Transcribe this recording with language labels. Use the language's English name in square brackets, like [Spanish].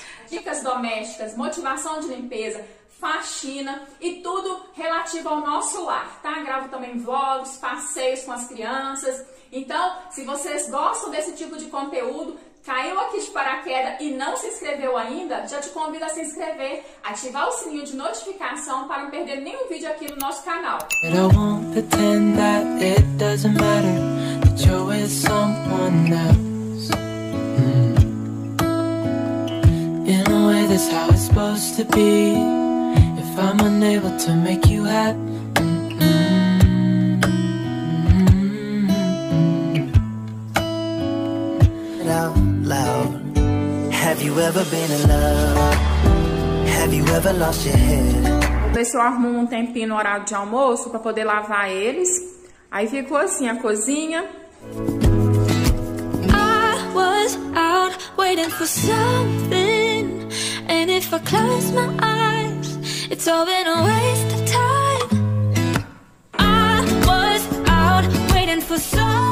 [Portuguese] Dicas domésticas, motivação de limpeza, faxina e tudo relativo ao nosso lar, tá? Gravo também vlogs, passeios com as crianças. Então, se vocês gostam desse tipo de conteúdo, caiu aqui de paraquedas e não se inscreveu ainda, já te convido a se inscrever, ativar o sininho de notificação para não perder nenhum vídeo aqui no nosso canal. [English] But I won't pretend that it doesn't matter that you're with someone else. In a way, that's how it's supposed to be. If I'm unable to make you happy. [Portuguese] Ver se eu arrumo um tempinho no horário de almoço pra poder lavar eles. Aí ficou assim a cozinha. [English] I was out waiting for something. And if I close my eyes, it's all been a waste of time. I was out waiting for something.